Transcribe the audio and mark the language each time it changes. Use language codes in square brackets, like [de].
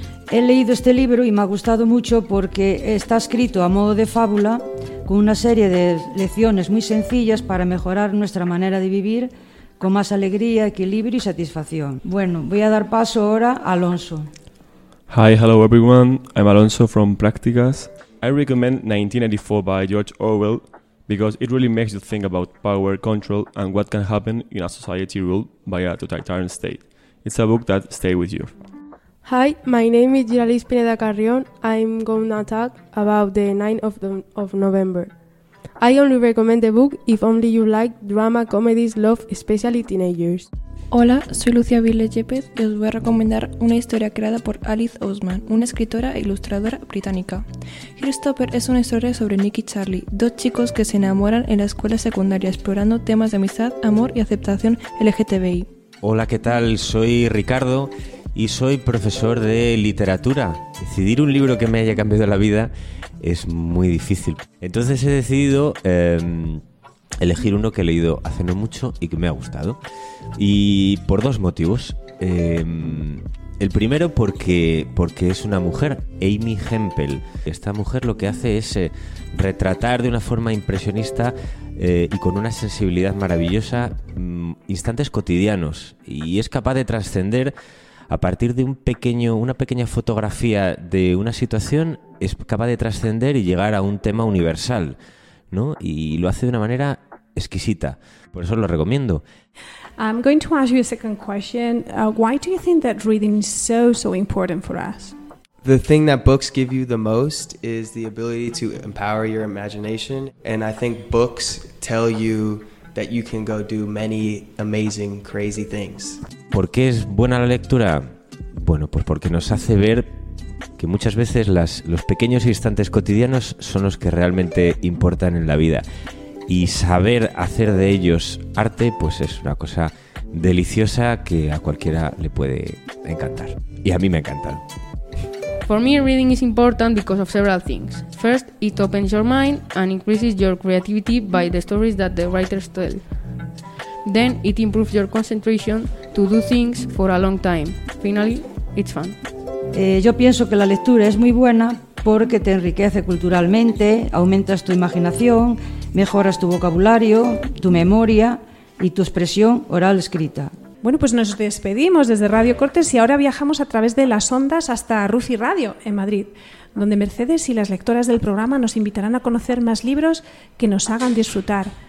[es] He leído este libro y me ha gustado mucho porque está escrito a modo de fábula, con una serie de lecciones muy sencillas para mejorar nuestra manera de vivir con más alegría, equilibrio y satisfacción. Bueno, voy a dar paso ahora a Alonso. [en] Hi, hello everyone. I'm Alonso from Practicas. I recommend 1984 by George Orwell, because it really makes you think about power, control, and what can happen in a society ruled by a totalitarian state. It's a book that stays with you. Hi, my name is Giralis Pineda Carrion. I'm going to talk about the 9th of November. I only recommend the book if only you like drama, comedies, love, especially teenagers. [es] Hola, soy Lucía Viles Yepes y os voy a recomendar una historia creada por Alice Osman, una escritora e ilustradora británica. Heartstopper es una historia sobre Nick y Charlie, dos chicos que se enamoran en la escuela secundaria explorando temas de amistad, amor y aceptación LGTBI. Hola, ¿qué tal? Soy Ricardo y soy profesor de literatura. Decidir un libro que me haya cambiado la vida es muy difícil. Entonces he decidido elegir uno que he leído hace no mucho y que me ha gustado. Y por dos motivos. El primero porque es una mujer, Amy Hempel. Esta mujer lo que hace es retratar de una forma impresionista y con una sensibilidad maravillosa instantes cotidianos. Y es capaz de trascender a partir de una pequeña fotografía de una situación, es capaz de trascender y llegar a un tema universal, ¿no? Y lo hace de una manera exquisita. Por eso lo recomiendo. [en] I'm going to ask you a second question. Why do you think that reading is so, so important for us? The thing that books give you the most is the ability to empower your imagination. And I think books tell you that you can go do many amazing, crazy things. [es] ¿Por qué es buena la lectura? Bueno, pues porque nos hace ver que muchas veces los pequeños instantes cotidianos son los que realmente importan en la vida. Y saber hacer de ellos arte, pues es una cosa deliciosa que a cualquiera le puede encantar. Y a mí me encanta. [en] For me, reading is important because of several things. First, it opens your mind and increases your creativity by the stories that the writers tell. Then, it improves your concentration to do things for a long time. Finally, it's fun. [es] Yo pienso que la lectura es muy buena porque te enriquece culturalmente, aumentas tu imaginación, mejoras tu vocabulario, tu memoria y tu expresión oral escrita. Bueno, pues nos despedimos desde Radio Cortes y ahora viajamos a través de las ondas hasta Rufi Radio, en Madrid, donde Mercedes y las lectoras del programa nos invitarán a conocer más libros que nos hagan disfrutar.